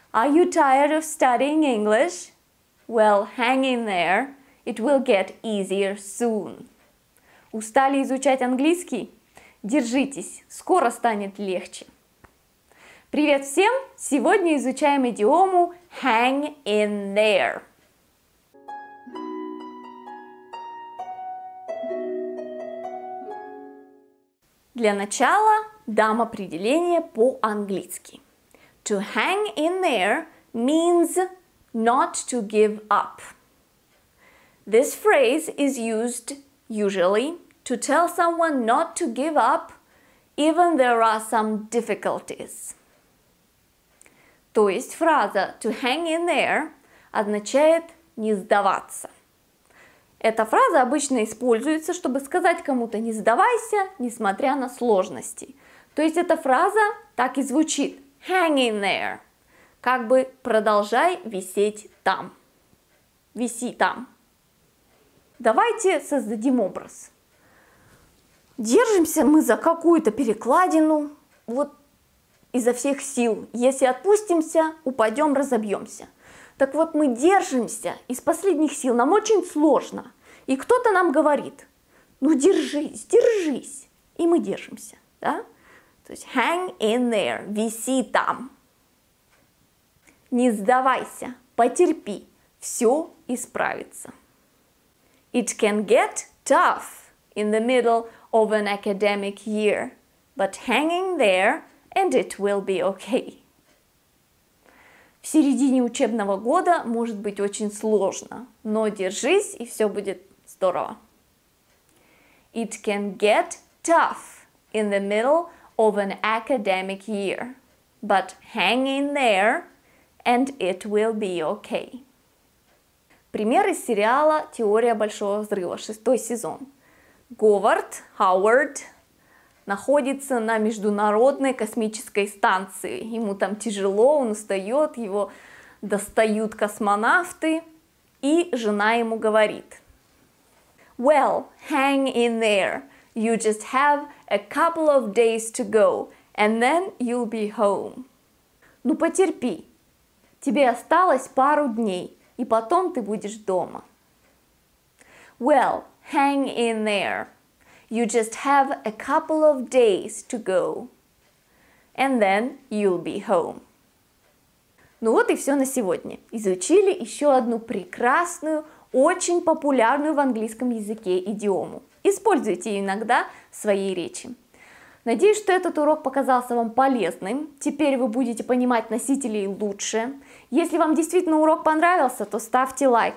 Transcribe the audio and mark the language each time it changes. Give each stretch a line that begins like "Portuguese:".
English: Are you tired of studying English? Well, hang in there. It will get easier soon.
Russian: Устали изучать английский? Держитесь, скоро станет легче. Привет всем! Сегодня изучаем идиому
English: hang in there.
Russian: Для начала дам определение по-английски.
English: To hang in there means not to give up. This phrase is used usually to tell someone not to give up, even there are some difficulties.
Russian: То есть фраза
English: to hang in there
Russian: означает не сдаваться. Эта фраза обычно используется, чтобы сказать кому-то не сдавайся, несмотря на сложности. То есть эта фраза так и звучит
English: hang in there,
Russian: как бы продолжай висеть там, виси там. Давайте создадим образ. Держимся мы за какую-то перекладину, вот изо всех сил. Если отпустимся, упадем, разобьемся. Так вот, мы держимся из последних сил, нам очень сложно. И кто-то нам говорит, ну держись, держись, и мы держимся, да? То есть
English: hang in there,
Russian: виси там. Не сдавайся, потерпи, все исправится.
English: It can get tough in the middle of an academic year, but hang in there and it will be okay.
Russian: В середине учебного года может быть очень сложно, но держись и все будет здорово.
English: It can get tough in the middle of an academic year, but hang in there and it will be okay.
Russian: Пример из сериала «Теория большого взрыва», шестой сезон. Говард, Хауард, находится на Международной космической станции. Ему там тяжело, он устает, его достают космонавты, и жена ему говорит.
English: Well, hang in there. You just have a couple of days to go, and then you'll be home.
Russian: Ну, потерпи. Тебе осталось пару дней, и потом ты будешь дома.
English: Well, hang in there. You just have a couple of days to go, and then you'll be home.
Russian: Ну вот и все на сегодня. Изучили еще одну прекрасную, очень популярную в английском языке идиому. Используйте ее иногда в своей речи. Надеюсь, что этот урок показался вам полезным. Теперь вы будете понимать носителей лучше. Если вам действительно урок понравился, то ставьте лайк.